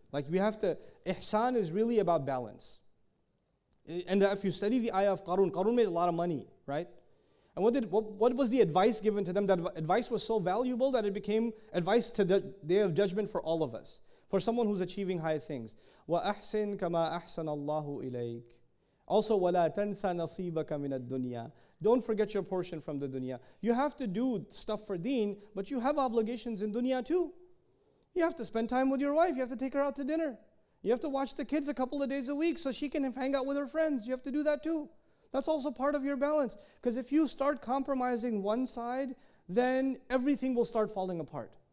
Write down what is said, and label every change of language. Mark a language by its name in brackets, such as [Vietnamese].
[English] Like, we have to, ihsan is really about balance. And if you study the ayah of Qarun, Qarun made a lot of money, right? And what was the advice given to them? That advice was so valuable that it became advice to the day of judgment for all of us, for someone who's achieving high things. [Arabic] وَأَحْسِن كَمَا أَحْسَنَ اللَّهُ إِلَيْكَ. Also, وَلَا تَنْسَ نَصِيبَكَ مِنَ الدُّنْيَا. [English] Don't forget your portion from the dunya. You have to do stuff for deen, but you have obligations in dunya too. You have to spend time with your wife. You have to take her out to dinner. You have to watch the kids a couple of days a week so she can hang out with her friends. You have to do that too. That's also part of your balance. Because if you start compromising one side, then everything will start falling apart.